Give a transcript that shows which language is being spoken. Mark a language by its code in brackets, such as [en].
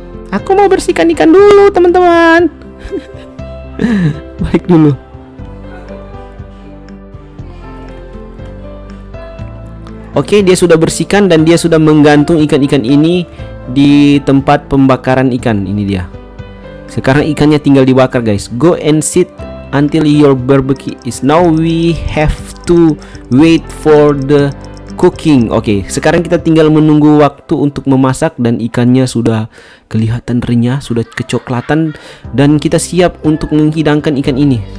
[id] Aku mau bersihkan ikan dulu, teman-teman. Balik dulu. Oke, dia sudah bersihkan dan dia sudah menggantung ikan-ikan ini di tempat pembakaran ikan. Ini dia. Sekarang ikannya tinggal dibakar, guys. [en] Go and sit until your barbecue is. Now we have to wait for the cooking. [id] Oke, sekarang kita tinggal menunggu waktu untuk memasak dan ikannya sudah kelihatan renyah, sudah kecoklatan dan kita siap untuk menghidangkan ikan ini.